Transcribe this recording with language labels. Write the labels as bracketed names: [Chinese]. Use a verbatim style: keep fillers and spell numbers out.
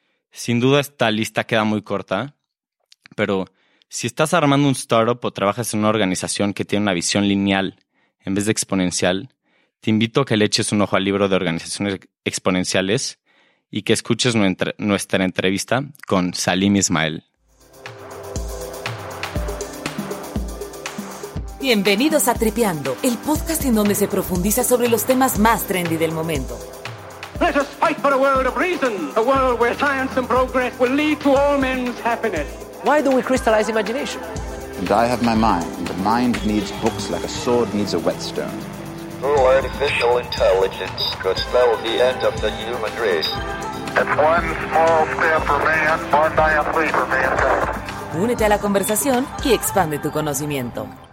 [Spanish] Sin duda esta lista queda muy corta, pero si estás armando un startup o trabajas en una organización que tiene una visión lineal en vez de exponencial, te invito a que le eches un ojo al libro de Organizaciones Exponenciales y que escuches nuestra nuestra entrevista con Salim Ismael. Bienvenidos a Tripeando, el podcast en donde se profundiza sobre los temas más trendy del momento. [English] Let us fight for a world of reason, a world where science and progress will lead to all men's happiness. Why do we crystallize imagination? And I have my mind. The mind needs books like a sword needs a whetstone. Through artificial intelligence could spell the end of the human race. It's one small step for man, one giant leap for mankind. [Spanish] Únete a la conversación y expande tu conocimiento.